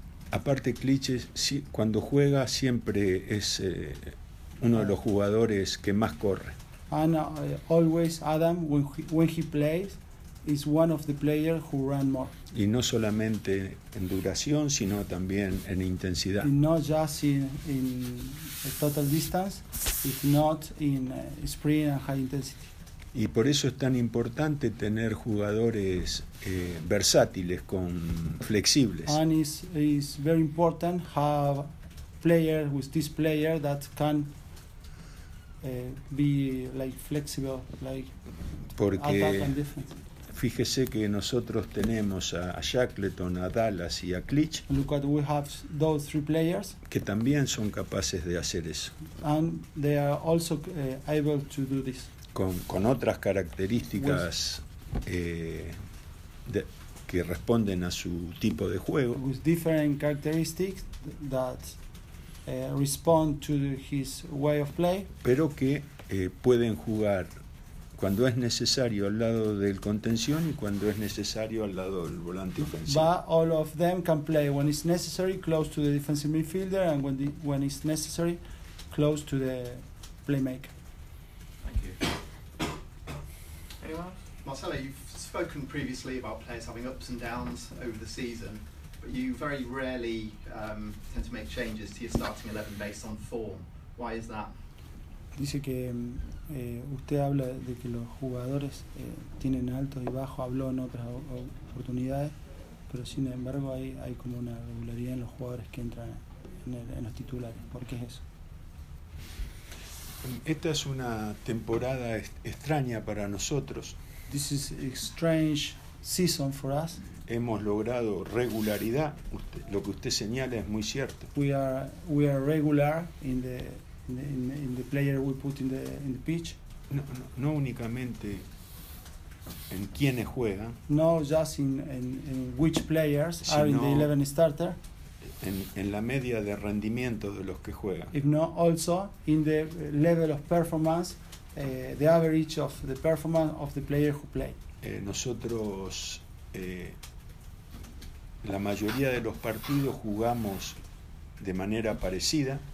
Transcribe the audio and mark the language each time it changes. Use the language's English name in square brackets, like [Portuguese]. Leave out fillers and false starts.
[Spanish] Aparte Klitsch, si, cuando juega siempre es uno de los jugadores que más corre. [English] And always Adam, when he plays, is one of the players who run more. [Spanish] Y no solamente en duración, sino también en intensidad. [English] And not just in a total distance, if not in sprint and high intensity. [Spanish] Y por eso es tan importante tener jugadores versátiles, con flexibles. [English] And it's very important have players with this player that can be like flexible, like [Spanish] porque fíjese que nosotros tenemos a Shackleton, a Dallas y a Klitsch. [English] Look at we have those three players [Spanish] que también son capaces de hacer eso. [English] And they are also able to do this. [Spanish] Con otras características que responden a su tipo de juego. [English] With different characteristics that respond to his way of play. [Spanish] Pero que pueden jugar cuando es necesario al lado del contención y cuando es necesario al lado del volante ofensivo. [English] But all of them can play when it's necessary close to the defensive midfielder and when it's necessary close to the playmaker. Marcelo, you've spoken previously about players having ups and downs over the season, but you very rarely tend to make changes to your starting 11 based on form. Why is that? [Spanish] Dice que usted habla de que los jugadores tienen altos y bajos, habló en otras oportunidades, pero sin embargo hay como una regularidad en los jugadores que entran en los titulares. ¿Por qué es eso? Esta es una temporada extraña para nosotros. [English] This is a strange season for us. [Spanish] Hemos logrado regularidad. Lo que usted señala es muy cierto. [English] We are regular in the player we put in the pitch. [Spanish] No únicamente en quienes juegan. [English] No just in which players are in the 11 starter. [Spanish] En la media de rendimiento de los que juegan. [English] If not also in the level of performance, the average of the performance of the player who play. [Spanish] Nosotros la mayoría de los partidos jugamos de manera parecida.